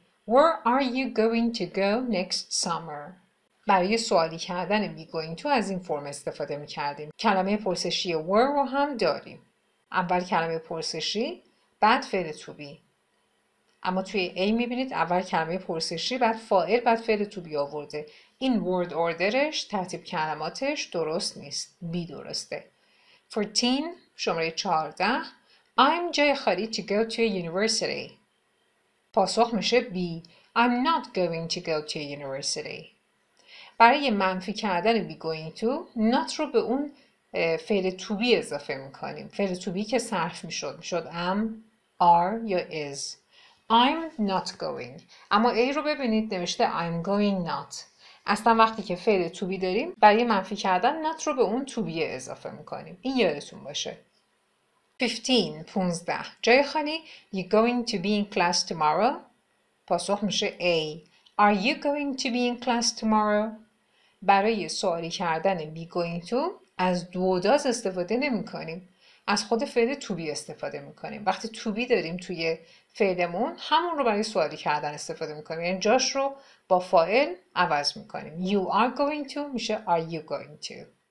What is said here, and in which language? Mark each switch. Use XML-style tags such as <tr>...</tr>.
<en>Where are you going to go next summer.</en> <fa>برای سوالی کردن be going to از این فرم استفاده میکردیم. کلمه پرسشی where رو هم داریم. اول کلمه پرسشی بعد فعل to be. اما توی A میبینید اول کلمه پرسشی بعد فاعل بعد فعل to be آورده. این word orderش، ترتیب کلماتش درست نیست. بی درسته. 14. شماره 14.</fa> <en>I'm</en> <fa>جای خالی</fa> <en>to go to a university.</en> <fa>پاسخ میشه</fa> <en>B. I'm not going to go to a university.</en> <fa>برای منفی کردن be going to، not رو به اون فعل to be اضافه میکنیم. فعل to be که صرف میشد، میشد am، are یا is.</fa> <en>I'm not going.</en> <fa>اما A رو ببینید نوشته</fa> <en>I'm going not.</en> <fa>اصلا وقتی که فعل to be داریم برای منفی کردن not رو به اون to be اضافه میکنیم. این یادتون باشه. 15. 15. جای خالی</fa> <en>You're going to be in class tomorrow.</en> <fa>پاسخ میشه</fa> <en>A. Are you going to be in class tomorrow?</en> <fa>برای سوالی کردن be going to از دوداز استفاده نمی کنیم. از خود فعل to be استفاده میکنیم. وقتی to be داریم توی فعلمون همون رو برای سوالی کردن استفاده میکنیم. یعنی جاش رو با فاعل عوض میکنیم.</fa> <en>You are going to</en> <fa>میشه</fa> <en>are you going to.</en>